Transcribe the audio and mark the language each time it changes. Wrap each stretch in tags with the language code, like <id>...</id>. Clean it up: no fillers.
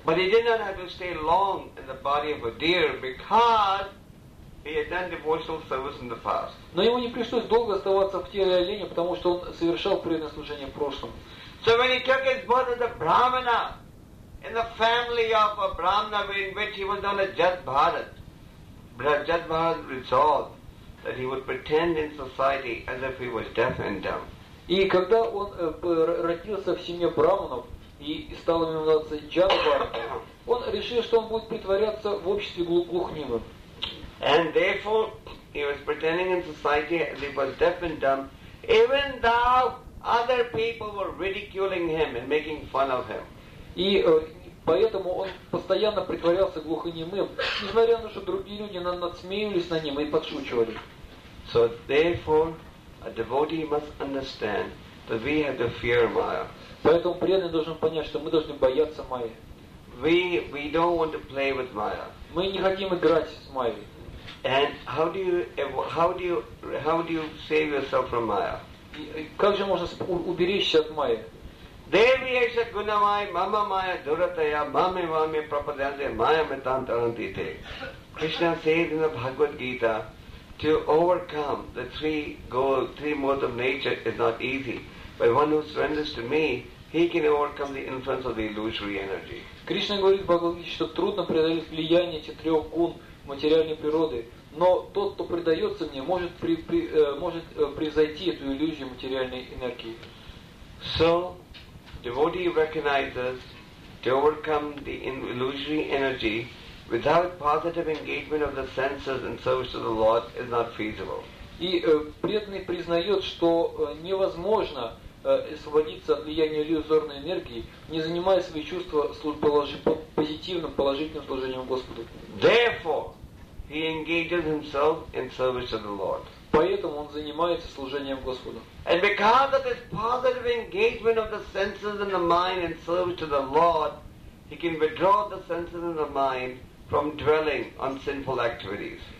<en>But he did not have to stay long in the body of a deer because he had done devotional service in the past.</en> <ru>Но ему не пришлось долго оставаться в теле оленя, потому что он совершал преданное служение в прошлом.</ru> <en>So when he took his birth as a brahmana, in the family of a Brahmana in which he was known as Jatbharat resolved that he would pretend in society as if he was deaf and dumb.</en> <ru>И когда он родился в семье Брахманов и стал именоваться Джатбхарат, он решил, что он будет притворяться в обществе глухонемым.</ru> <en>And therefore he was pretending in society as if he was deaf and dumb, even though other people were ridiculing him and making fun of him.</en> <ru>И поэтому он постоянно притворялся глухонемым, несмотря на то, что другие люди надсмеивались на ним и подшучивали.</ru> <en>So therefore, a devotee must understand that we have to fear Maya.</en> <ru>Поэтому преданный должен понять, что мы должны бояться Майи.</ru> <en>We don't want to play with Maya.</en> <ru>Мы не хотим играть с Майей.</ru> <en>And how do you save yourself from Maya?</en> <ru>Как же можно уберечься от майя?</ru> <sa>Деви еша гуна майя, мама майя, дуратая, маме маме пропаданте, майя метан тарантите.</sa> <en>Кришна said in the Bhagavad Gita, to overcome the three modes of nature is not easy. But one who surrenders to me, he can overcome the influence of the illusory energy.</en> <ru>Кришна говорит в Бхагавад Гите, что трудно преодолеть влияние этих трех гун материальной природы. Но тот, кто предается мне, может превзойти эту иллюзию материальной энергии.</ru> <en>So, devotee recognizes to overcome the illusory energy without positive engagement of the senses in service to the Lord is not feasible.</en> <ru>И преданный признает, что невозможно освободиться от влияния иллюзорной энергии, не занимая свои чувства позитивным, положительным служением Господу.</ru> <en>Therefore, he engages himself in service of the Lord.</en> <ru>Поэтому он занимается служением Господу.</ru> <en>And because of this positive engagement of the senses and the mind in service to the Lord, he can withdraw the senses and the mind from dwelling on sinful activities.</en>